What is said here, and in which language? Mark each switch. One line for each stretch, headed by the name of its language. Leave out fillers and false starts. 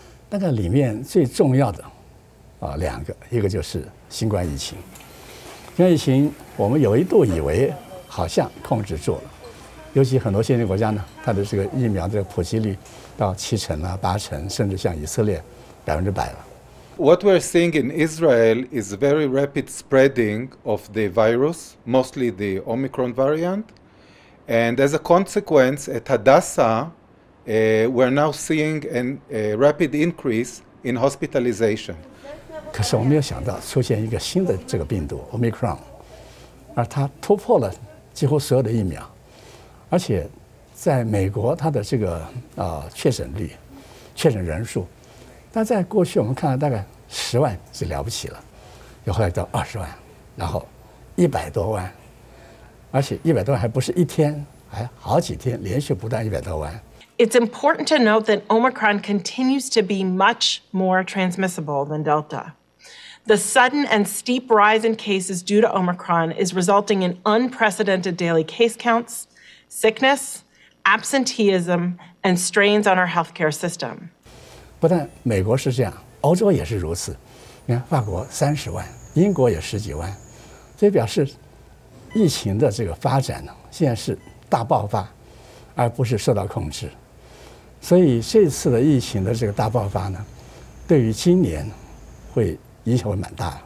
Chinese: 那个里面最重要的两个，一个就是新冠疫情。新冠疫情我们有一度以为好像控制住了，尤其很多先进国家呢，它的这个疫苗的普及率到70%啊、80%，甚至像以色列100%了。
English: What we're seeing in Israel is very rapid spreading of the virus, mostly the Omicron variant. And as a consequence, at Hadassah, we're now seeing a rapid increase in hospitalization.
Chinese: 可是我没有想到出现一个新的这个病毒 Omicron, 而它突破了几乎所有的疫苗，而且在美国它的这个确诊人数。但在过去我们看到大概10万是了不起了，又后来到20万，然后100多万，而且100多万还不是一天，还好几天连续不断100多万。
English: It's important to note that Omicron continues to be much more transmissible than Delta. The sudden and steep rise in cases due to Omicron is resulting in unprecedented daily case counts, sickness, absenteeism, and strains on our healthcare system.
Chinese: 不但美国是这样，欧洲也是如此。你看，法国30万，英国也10几万，所以表示疫情的这个发展呢，现在是大爆发，而不是受到控制。所以这次的疫情的这个大爆发呢，对于今年会影响会蛮大。